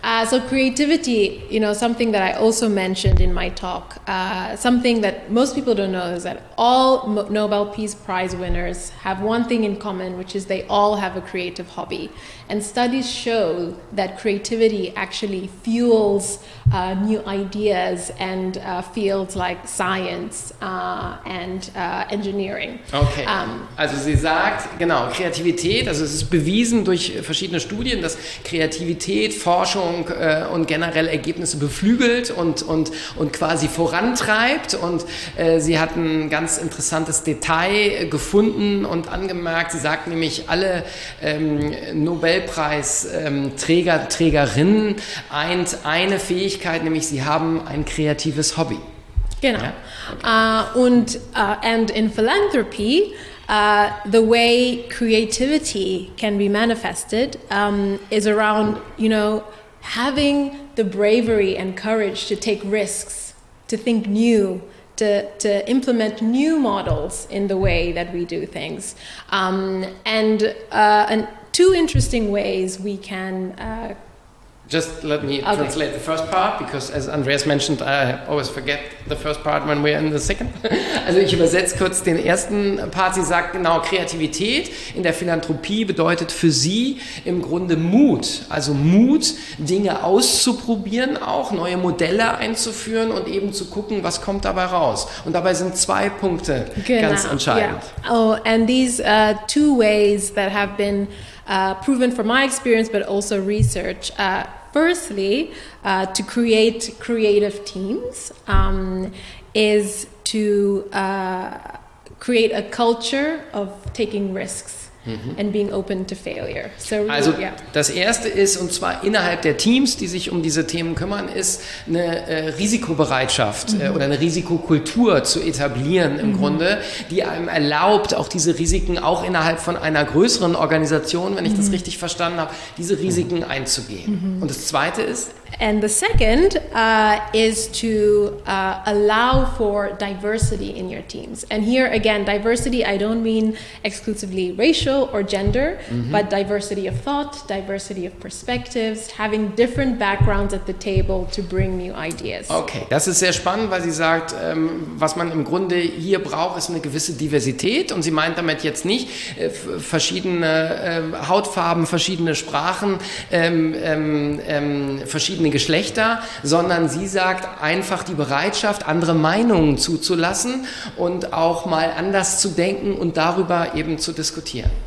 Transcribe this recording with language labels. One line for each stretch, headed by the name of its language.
English: So creativity, you know, something that I also mentioned in my talk, something that most people don't know is that all Nobel Peace Prize winners have one thing in common, which is they all have a creative hobby. And studies show that creativity actually fuels new ideas and fields like science and engineering.
German: Okay, also sie sagt, genau, Kreativität, also es ist bewiesen durch verschiedene Studien, dass Kreativität, Forschung, Forschung und generell Ergebnisse beflügelt und quasi vorantreibt. Und sie hat ein ganz interessantes Detail gefunden und angemerkt. Sie sagt nämlich, alle Nobelpreisträger, Trägerinnen eint eine Fähigkeit, nämlich sie haben ein kreatives Hobby. Genau.
English: And in philanthropy, the way creativity can be manifested is around, you know, having the bravery and courage to take risks, to think new, to implement new models in the way that we do things. And two interesting ways we can Just let me translate the first part, because as Andreas mentioned, I always forget the first part when we're in the second.
German: Also ich übersetze kurz den ersten Part. Sie sagt genau, Kreativität in der Philanthropie bedeutet für sie im Grunde Mut. Also Mut, Dinge auszuprobieren auch, neue Modelle einzuführen und eben zu gucken, was kommt dabei raus. Und dabei sind zwei Punkte ganz entscheidend.
English: Yeah. Oh, and these two ways that have been proven from my experience, but also research. Firstly, to create creative teams is to create a culture of taking risks and being open to failure.
German: So, also das erste ist, und zwar innerhalb der Teams, die sich um diese Themen kümmern, ist eine Risikobereitschaft oder eine Risikokultur zu etablieren im Grunde, die einem erlaubt, auch diese Risiken auch innerhalb von einer größeren Organisation, wenn ich das richtig verstanden habe, diese Risiken einzugehen. Und das zweite ist?
English: And the second is to allow for diversity in your teams. And here again, diversity, I don't mean exclusively racial or gender, but diversity of thought, diversity of perspectives, having different backgrounds at the table to bring new ideas.
German: Okay, das ist sehr spannend, weil sie sagt, was man im Grunde hier braucht, ist eine gewisse Diversität. Und sie meint damit jetzt nicht verschiedene Hautfarben, verschiedene Sprachen, verschiedene Geschlechter, sondern sie sagt einfach die Bereitschaft, andere Meinungen zuzulassen und auch mal anders zu denken und darüber eben zu diskutieren.